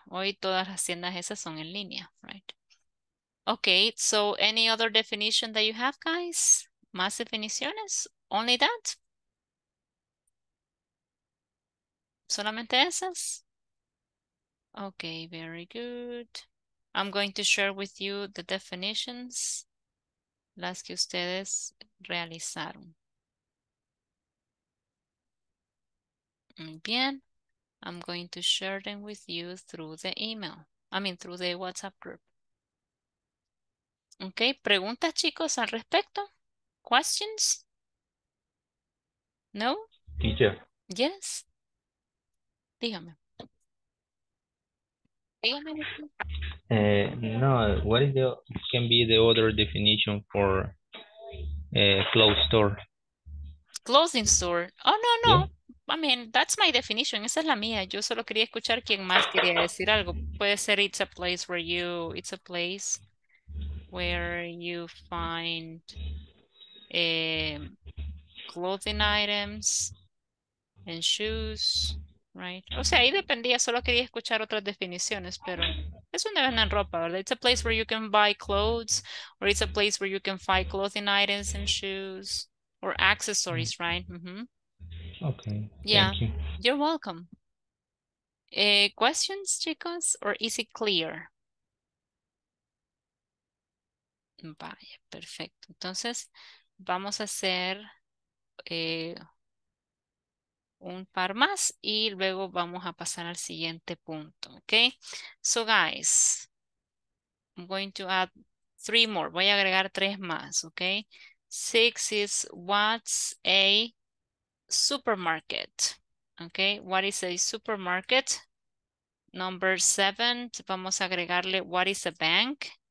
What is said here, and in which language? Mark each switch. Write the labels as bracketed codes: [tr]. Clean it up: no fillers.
[es] Hoy todas las tiendas esas son en línea, [en] right? Okay, so any other definition that you have, guys? [es] ¿Más definiciones? [en] Only that? [es] ¿Solamente esas? [en] Okay, very good. I'm going to share with you the definitions [es] las que ustedes realizaron. Muy bien. [en] I'm going to share them with you through the email. I mean, through the WhatsApp group. Okay, [es] ¿preguntas, chicos, al respecto? [en] Questions? No? Teacher. Yes? [es] Dígame. Dígame. [en] No, what is the, can be the other definition for a closed store? Closing store. Oh, no, no. Yeah. I mean, that's my definition. [es] Esa es la mía. Yo solo quería escuchar quién más quería decir algo. Puede ser [en] it's a place where you, it's a place where you find clothing items and shoes, right? [es] O sea, ahí dependía. Solo quería escuchar otras definiciones, pero es donde venden ropa, ¿verdad? [en] It's a place where you can buy clothes, or it's a place where you can find clothing items and shoes or accessories, right? Mm-hmm. Okay, yeah. Thank you. You're welcome. Questions, chicos, or is it clear? [es] Vaya, perfecto. Entonces, vamos a hacer un par más y luego vamos a pasar al siguiente punto, okay? [en] So, guys, I'm going to add three more. [es] Voy a agregar tres más, okay? [en] Six is what's a supermarket. Okay, what is a supermarket? Number seven, [es] vamos a agregarle [en] what is a bank?